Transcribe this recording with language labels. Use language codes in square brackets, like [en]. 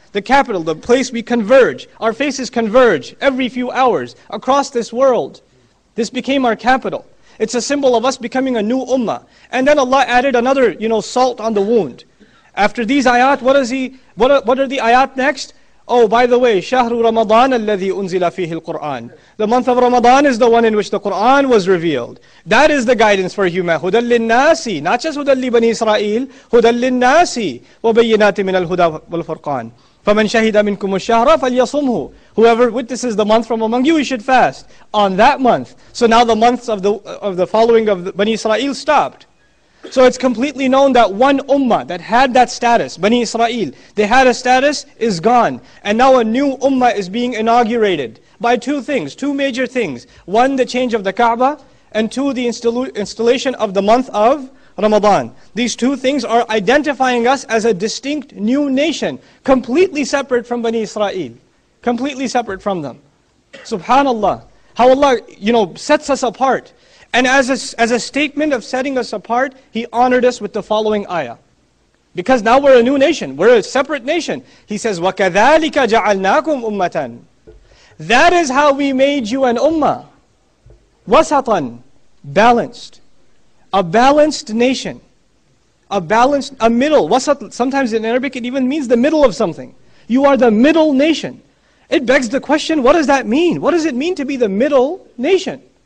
[en] The capital, the place we converge, our faces converge every few hours across this world. This became our capital. It's a symbol of us becoming a new Ummah. And then Allah added another, you know, salt on the wound. After these ayat, what are the ayat next? Oh, by the way, [ar] شَهْرُ رَمَضَانَ الَّذِي أُنزِلَ فِيهِ الْقُرْآنِ. [en] The month of Ramadan is the one in which the Qur'an was revealed. That is the guidance for humanity. [ar] هُدَلْ لِلنَّاسِ. [en] Not just [ar] هُدَلْ لِبَنِي إِسْرَائِيلِ. هُدَلْ لِلنَّاسِ. وَبَيِّنَاتِ مِنَ الْهُدَى وَالْفُرْقَانِ. فَمَنْ شَهِدَ مِنْكُمُ الشَّهْرَ فَلْيَصُمْهُ. [en] Whoever witnesses the month from among you, he should fast on that month. So now the months of the following of Bani Israel stopped. So it's completely known that one ummah that had that status, Bani Israel, they had a status, is gone. And now a new ummah is being inaugurated by two things, two major things. One, the change of the Kaaba, and two, the installation of the month of Ramadan. These two things are identifying us as a distinct new nation, completely separate from Bani Israel, completely separate from them. Subhanallah, how Allah, you know, sets us apart. And as a statement of setting us apart, He honored us with the following ayah. Because now we're a new nation, we're a separate nation. He says, [ar] وَكَذَٰلِكَ جَعَلْنَاكُمْ أُمَّةً. [en] That is how we made you an ummah. وَسَطًا. Balanced. A balanced nation. A balanced, a middle. وَسَطًا. Sometimes in Arabic it even means the middle of something. You are the middle nation. it begs the question, what does that mean? What does it mean to be the middle nation?